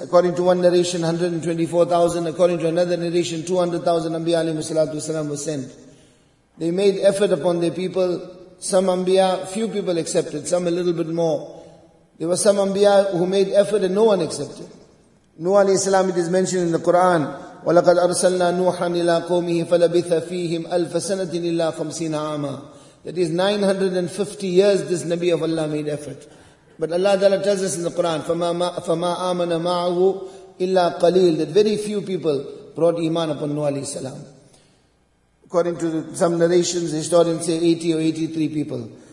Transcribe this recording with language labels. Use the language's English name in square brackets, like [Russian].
[English] According to one narration, 124,000. According to another narration, 200,000 Anbiya alayhi salatu wasalam was sent. They made effort upon their people. Some Anbiya, few people accepted, some a little bit more. There were some Anbiya who made effort and no one accepted. Nuh alayhi salam, it is mentioned in the Quran, [Arabic] وَلَقَدْ أَرْسَلْنَا نُوحًا إِلَىٰ قَوْمِهِ فَلَبِثَ فِيهِمْ أَلْفَ سَنَةٍ إِلَّا خَمْسِينَ عَامًا. [English] That is 950 years this Nabi of Allah made effort. But Allah Ta'ala tells us in the Quran, [Arabic] فَمَا آمَنَ مَعَهُ إِلَّا قَلِيلٌ, [English] that very few people brought Iman upon Nuh alayhi salam. According to some narrations, historians say 80 or 83 people.